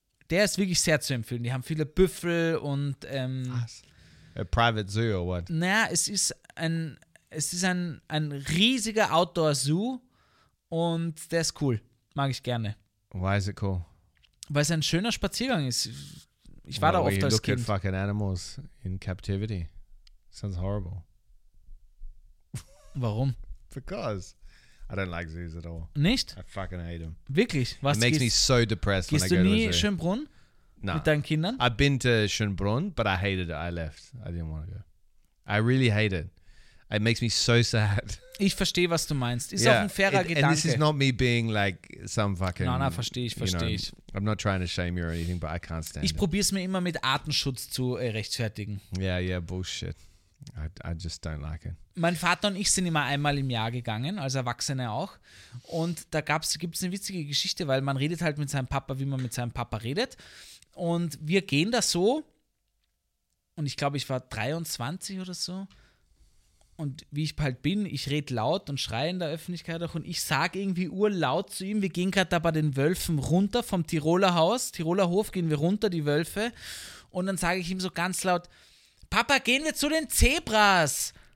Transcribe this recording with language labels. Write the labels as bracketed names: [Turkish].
[German] Der ist wirklich sehr zu empfehlen. Die haben viele Büffel und... [English] A private zoo or what? [German] Naja, es ist ein... Es ist ein riesiger Outdoor-Zoo und der ist cool. Mag ich gerne. [English] Why is it cool? [German] Weil es ein schöner Spaziergang ist. Ich war da oft als Kind. [English] At fucking animals in captivity. Sounds horrible. [German] Warum? [English] Because I don't like zoos at all. [German] Nicht? [English] I fucking hate them. [German] Wirklich? Was? [English] It makes me so depressed when I go to the zoo. [German] Gehst du nie Schönbrunn? [English] No. [German] Mit deinen Kindern? [English] I've been to Schönbrunn, but I hated it. I left. I didn't want to go. I really hate it. It makes me so sad. [German] Ich verstehe, was du meinst. Ist auch ein fairer Gedanke. [English] And this is not me being like some fucking... [German] Nein, verstehe ich. [English] I'm not trying to shame you or anything, but I can't stand it. [German] Ich probiere es mir immer mit Artenschutz zu rechtfertigen. [English] Yeah, bullshit. I just don't like it. [German] Mein Vater und ich sind immer einmal im Jahr gegangen, als Erwachsene auch. Und da gibt es eine witzige Geschichte, weil man redet halt mit seinem Papa, wie man mit seinem Papa redet. Und wir gehen da so, und ich glaube, ich war 23 oder so, und wie ich halt bin, ich rede laut und schreie in der Öffentlichkeit auch und ich sage irgendwie urlaut zu ihm, wir gehen gerade da bei den Wölfen runter vom Tiroler Haus, Tiroler Hof, gehen wir runter, die Wölfe, und dann sage ich ihm so ganz laut, Papa, gehen wir zu den Zebras.